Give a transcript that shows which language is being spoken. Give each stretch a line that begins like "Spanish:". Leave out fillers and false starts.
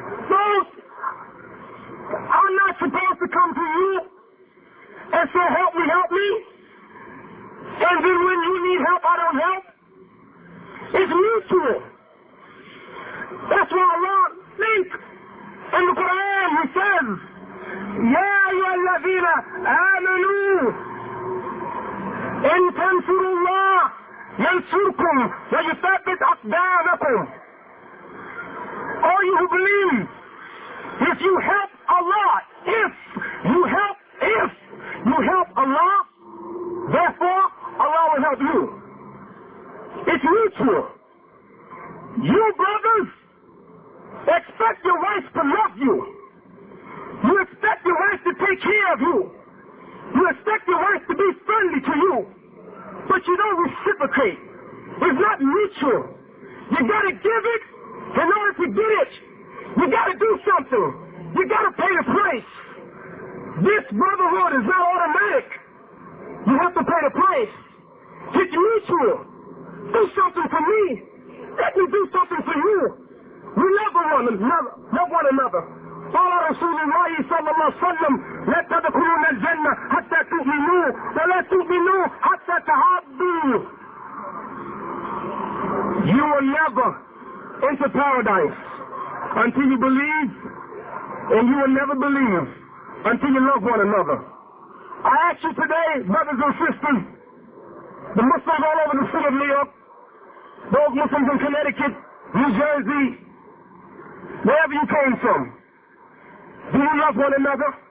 English: Those are not supposed to come to you and say, help me, help me. And then when you need help, I don't help. It's mutual. That's why Allah speaks in the Quran. He says,
Arabic: يَا أَيُّهَا الَّذِينَ آمَنُوا إِن تَنْصُرُوا اللَّهَ يَنْصُرْكُمْ وَيُثَبِّتْ أَقْدَامَكُمْ.
English: All you who believe, if you help Allah, if you help Allah, therefore, Allah will help you. It's mutual. You brothers expect your wife to love you. You expect your wife to take care of you. You expect your wife to be friendly to you. But you don't reciprocate. It's not mutual. You gotta give it in order to get it. You gotta do something. You gotta pay the price. This brotherhood is not automatic. You have to pay the price. It's mutual. Do something for me. Let me do something for you. We love one another.
Arabic: وقال رسول الله صلى الله عليه وسلم لا تدخلون الجنة حتى تؤمنوا ولا تؤمنوا حتى تهابوا.
English: You will never enter paradise until you believe, and you will never believe until you love one another. I ask you today, brothers and sisters, the Muslims all over the city of New York, those Muslims in Connecticut, New Jersey, wherever you came from, do you love one another?